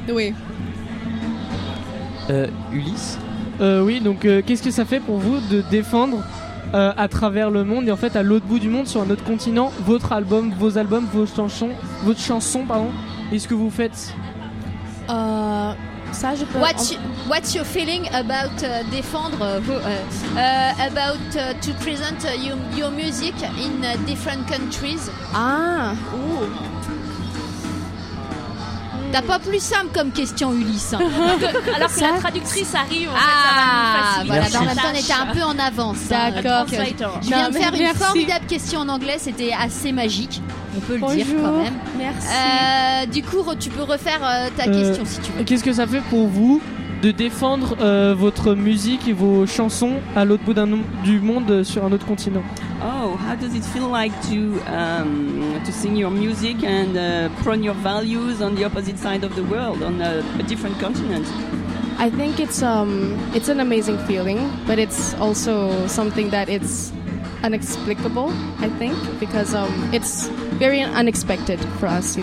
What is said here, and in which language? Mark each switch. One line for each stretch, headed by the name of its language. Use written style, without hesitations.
French: Oui. Ulysse? Oui, donc qu'est-ce que ça fait pour vous de défendre à travers le monde et en fait à l'autre bout du monde, sur un autre continent, votre album, vos albums, votre chanson, et ce que vous faites? Ça, je peux.
English: What's your feeling about défendre about to present your music in different countries? Ah. Ooh.
French: T'as pas plus simple comme question, Ulysse. Hein. Alors que la traductrice arrive. Ah, voilà. Dans même temps, on était un peu en avance. D'accord. Hein, je viens de faire une formidable question en anglais. C'était assez magique. On peut le Bonjour. Dire quand même. Merci. Du coup, tu peux refaire ta question si tu veux. Qu'est-ce que ça fait pour vous de défendre votre musique et vos chansons à l'autre bout du monde, sur un autre continent?
English: Oh, how does it feel like to sing your music and promote your values on the opposite side of the world, on a different continent? I think it's an amazing feeling, but it's also something that it's inexplicable, I think, because it's very unexpected for us.